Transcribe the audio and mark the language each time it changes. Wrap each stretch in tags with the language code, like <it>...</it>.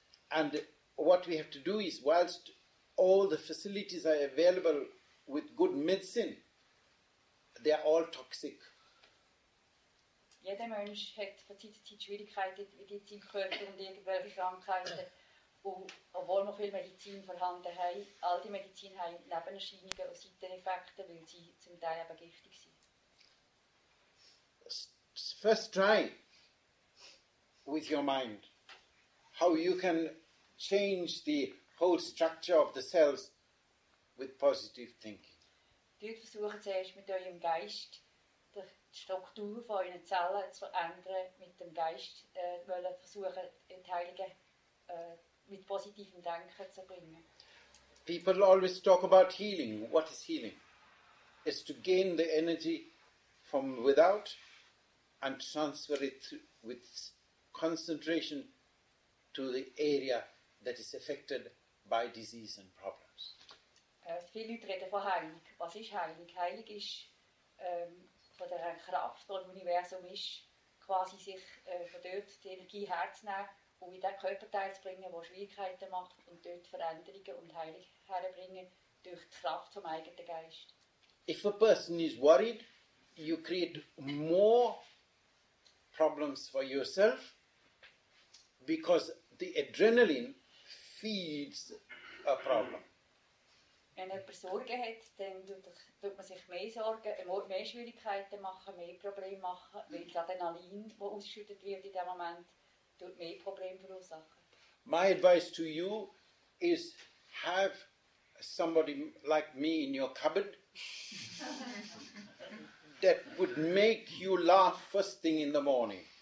<en>And what we have to do is, whilst all the facilities are available with good medicine, they are all toxic.</en> <de>Jeder Mensch hat von Zeit zu Zeit Schwierigkeiten mit seinem Körper und irgendwelche Krankheiten. Und obwohl noch viel Medizin vorhanden hat, all die Medizin hat Nebenerscheinungen und Seiteneffekte, weil sie zum Teil eben giftig sind.</de> <en>First try with your mind, how you can change the whole structure of the cells with positive thinking.</en> <de>Dort versuchen zuerst mit eurem Geist, die Struktur von euren Zellen zu verändern, mit dem Geist wollen versuchen, die Heilige mit positivem Denken zu bringen.</de> <en>People always talk about healing. What is healing? It's to gain the energy from without and transfer it with concentration to the area that is affected by disease and problems.</en> <de>Viele Leute reden von Heilung. Was ist Heilung? Heilung ist von der Kraft, die im Universum ist, quasi sich von dort die Energie herzunehmen und in den Körperteil zu bringen, der Schwierigkeiten macht, und dort Veränderungen und Heilung herbringen durch die Kraft vom eigenen Geist.</de> <en>If a person is worried, you create more problems for yourself, because the adrenaline feeds a problem.</en> <de>Wenn jemand Sorgen hat, dann tut man sich mehr Sorgen, er muss mehr Schwierigkeiten machen, mehr Probleme machen, weil das Adrenalin, das ausgeschüttet wird in dem Moment, tut mehr Probleme verursachen.</de> <en>My advice to you is, have somebody like me in your cupboard. That would make you laugh first thing in the morning.</en>